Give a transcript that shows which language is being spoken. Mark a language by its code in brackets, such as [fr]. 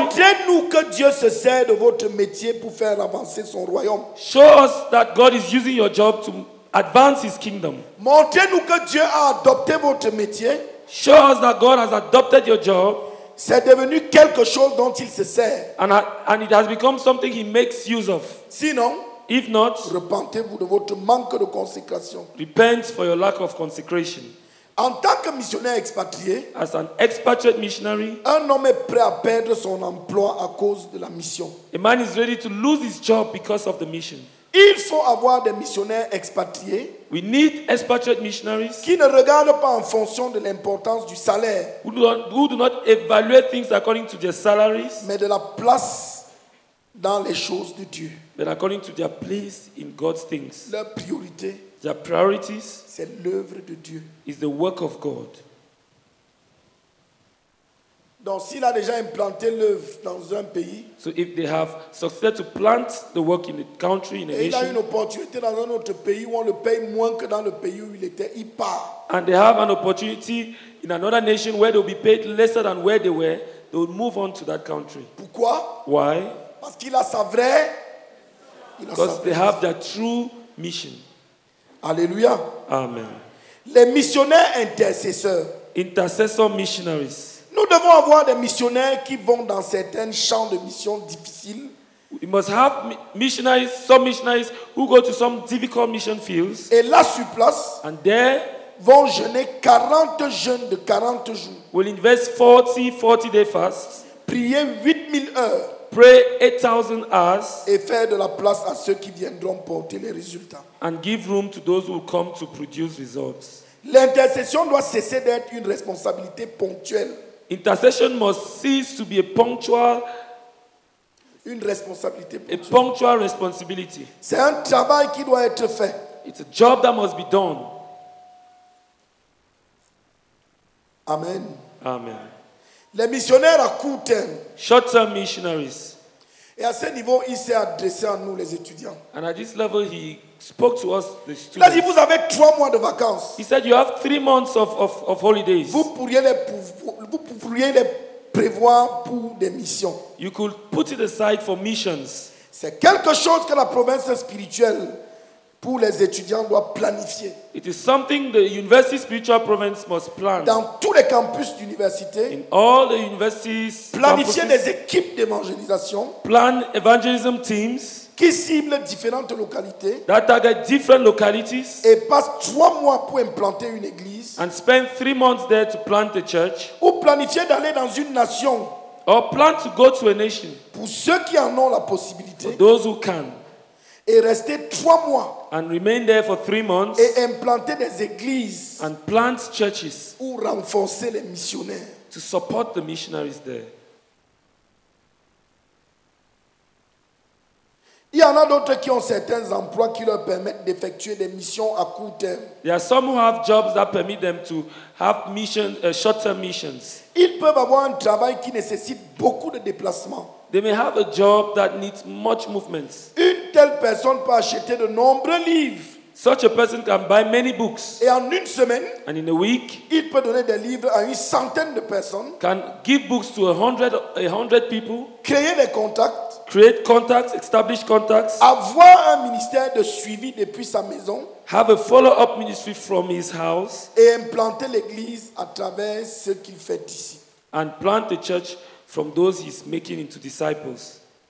[fr] Montrez-nous que Dieu se sert de votre métier pour faire avancer son royaume. [en] Show us that God is using your job to advance his kingdom. [fr] Montrez-nous que Dieu a adopté votre métier. [en] Show us that God has adopted your job. [fr] C'est devenu quelque chose dont il se sert. [en] And it has become something he makes use of. [fr] Sinon, [en] If not, [fr] repentez-vous de votre manque de consécration. [en] Repent for your lack of consecration. [fr] En tant que missionnaire expatrié, [en] as an expatriate missionary, [fr] un homme est prêt à perdre son emploi à cause de la mission. [en] A man is ready to lose his job because of the mission. [fr] Il faut avoir des missionnaires expatriés. [en] We need expatriate missionaries [fr] qui ne regardent pas en fonction de l'importance du salaire, [en] who do not evaluate things according to their salaries, [fr] mais de la place dans les choses de Dieu. [en] But according to their place in God's things. [fr] Leur priorité, [en] their priorities, [fr] c'est l'œuvre de Dieu. [en] Is the work of God. [fr] Donc s'il a déjà implanté l'œuvre dans un pays, [en] so if they have succeeded to plant the work in a country, in a nation, [fr] et il a une opportunité dans un autre pays où on le paye moins que dans le pays où il était, il part. [en] And they have an opportunity in another nation where they'll be paid lesser than where they were, they would move on to that country. [fr] Pourquoi? [en] Why? [fr] Parce qu'il a sa vraie. [en] Because they have their true mission. [fr] Alléluia. [en] Amen. [fr] Les missionnaires intercesseurs. [en] Intercessor missionaries. [fr] Nous devons avoir des missionnaires qui vont dans certains champs de mission difficiles. [en] We must have missionaries, some missionaries who go to some difficult mission fields. [fr] Et là sur place, [en] and there, [fr] vont jeûner 40 jeûnes de 40 jours. [en] Will invest 40 day fasts. [fr] Prier 8000 heures. [en] Pray 8,000 hours. [fr] Et faire de la place à ceux qui viendront porter les résultats. [en] And give room to those who come to produce results. [fr] L'intercession doit cesser d'être une responsabilité ponctuelle. [en] Intercession must cease to be a punctual. [fr] Une responsabilité ponctuelle. [en] A punctual responsibility. [fr] C'est un travail qui doit être fait. [en] It's a job that must be done. [fr] Amen. [en] Amen. [fr] Les missionnaires à court terme. [en] Short-term missionaries. [fr] Et à ce niveau, il s'est adressé à nous, les étudiants. [en] And at this level, he spoke to us, the students. [fr] Là, dit, vous avez 3 mois de vacances. [en] He said, you have 3 months of holidays. [fr] Vous pourriez les prévoir pour des missions. [en] You could put it aside for missions. [fr] C'est quelque chose que la province spirituelle pour les étudiants doit planifier. [en] It is something the university spiritual province must plan. [fr] Dans tous les campus d'université, [en] in all the universities, [fr] planifier campuses, des équipes d'évangélisation, [en] plan evangelism teams, [fr] qui ciblent différentes localités, [en] that target different localities, [fr] et passent 3 mois pour implanter une église, [en] and spend 3 months there to plant a church, [fr] ou planifier d'aller dans une nation, [en] or plan to go to a nation, [fr] pour ceux qui en ont la possibilité, [en] for those who can, [fr] et rester 3 mois [en] and remain there for 3 months [fr] et implanter des églises [en] and plant churches [fr] ou renforcer les missionnaires [en] to support the missionaries there. [fr] Il y en a d'autres qui ont certains emplois qui leur permettent d'effectuer des missions à court terme. [en] There are some who have jobs that permit them to have missions, short-term missions. [fr] Ils peuvent avoir un travail qui nécessite beaucoup de déplacements. [en] They may have a job that needs much movement. [fr] Une telle personne peut acheter de nombreux livres. [en] Such a person can buy many books. [fr] Et en une semaine, [en] and in a week, [fr] il peut donner des livres à une centaine de personnes. [en] Can give books to a hundred people. [fr] Créer des contacts. [en] Create contacts, establish contacts. [fr] Avoir un ministère de suivi depuis sa maison. [en] Have a follow-up ministry from his house. [fr] Et implanter l'église à travers ce qu'il fait ici. [en] And plant the church from those he's making into disciples.